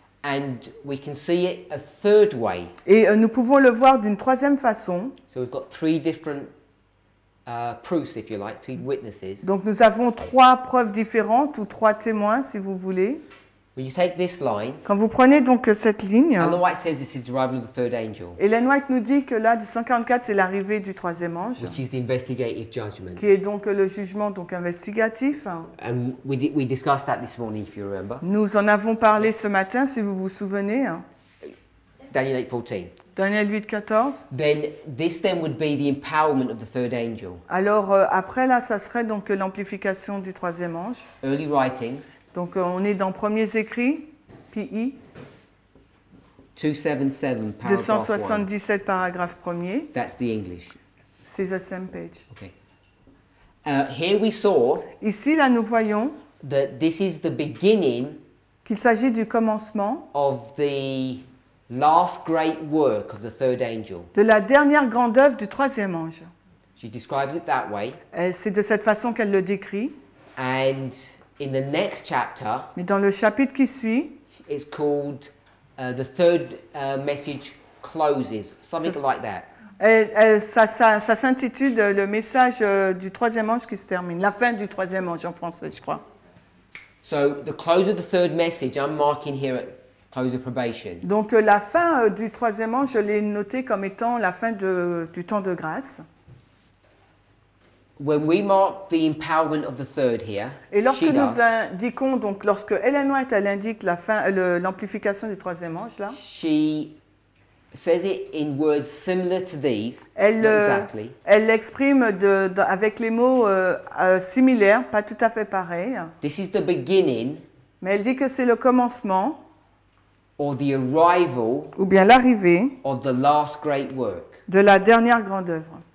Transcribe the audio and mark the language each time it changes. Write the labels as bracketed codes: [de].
[en] And we can see it a third way. [fr] Et nous pouvons le voir d'une troisième façon. [en] So we've got three different proofs, if you like, three witnesses. [fr] Donc nous avons trois preuves différentes ou trois témoins, si vous voulez. [en] When you take this line, [fr] quand vous prenez donc cette ligne, [en] Ellen White says this is the arrival of the third angel. [fr] Ellen White nous dit que là, du 144, c'est l'arrivée du troisième ange, [en] which is the investigative judgment. [fr] Qui est donc le jugement donc investigatif. [en] And we discussed that this morning, if you remember. [fr] Nous en avons parlé ce matin, si vous vous souvenez. [en] Daniel 8:14. [fr] Daniel 8:14. [en] Then this then would be the empowerment of the third angel. [fr] Alors après là, ça serait donc l'amplification du troisième ange. [en] Early writings. [fr] Donc on est dans premiers écrits, PI. [en] 277 [fr] 277 paragraphe premier. [en] That's the English. [fr] C'est la même page. [en] Okay. Here we saw. [fr] Ici là, nous voyons. [en] That this is the beginning. [fr] Qu'il s'agit du commencement. [en] Of the last great work of the third angel. [fr] De la dernière grande œuvre du troisième ange. [en] She describes it that way. [fr] C'est de cette façon qu'elle le décrit. [en] And in the next chapter. [fr] Mais dans le chapitre qui suit. [en] It's called the third message closes, something like that. [fr] Ça s'intitule le message du troisième ange qui se termine, la fin du troisième ange en français, je crois. [en] So the close of the third message, I'm marking here at close of probation. [fr] Donc la fin du troisième ange, je l'ai noté comme étant la fin du temps de grâce. [en] When we mark the empowerment of the third here, [fr] et lorsque nous indiquons, donc lorsque Ellen White elle indique la fin, l'amplification du troisième ange là, [en] she says it in words similar to these, [fr] elle l'exprime avec les mots similaires, pas tout à fait pareil. [en] This is the beginning, [fr] mais elle dit que c'est le commencement. [en] Or the arrival, [fr] ou bien l'arrivée, [en] of the last great work, [fr] de la dernière grande œuvre.